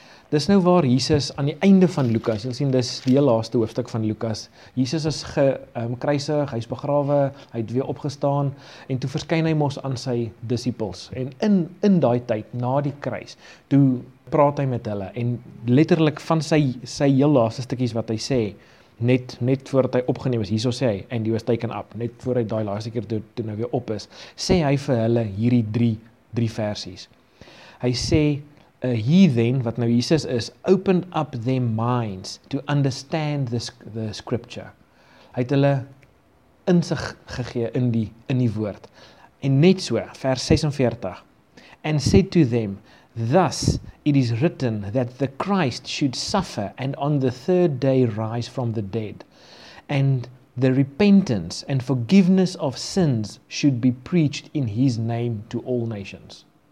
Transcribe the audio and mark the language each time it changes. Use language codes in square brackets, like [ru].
[af] Dis nou waar Jesus aan die einde van Lukas, ons sien dis die heel laaste hoofstuk van Lukas, Jesus is gekruisig, hy is begrawe, hy het weer opgestaan, en toe verskyn hy mos aan sy disciples, en in daai tyd, na die kruis, toe praat hy met hulle, en letterlik van sy heel laaste stukkies wat hy sê, net voordat hy opgeneem is, hierso sê hy, [en] and he was taken up, [af] net voor hy daai laaste keer toe nou weer op is, sê hy vir hulle hierdie drie versies. Hy sê, [en] he then, [af] wat nou Jesus is, [en] opened up their minds to understand the scripture. [af] Hy het hulle insig gegee in die woord. En net so, vers 46, [en] and said to them, thus it is written that the Christ should suffer and on the third day rise from the dead, and the repentance and forgiveness of sins should be preached in his name to all nations.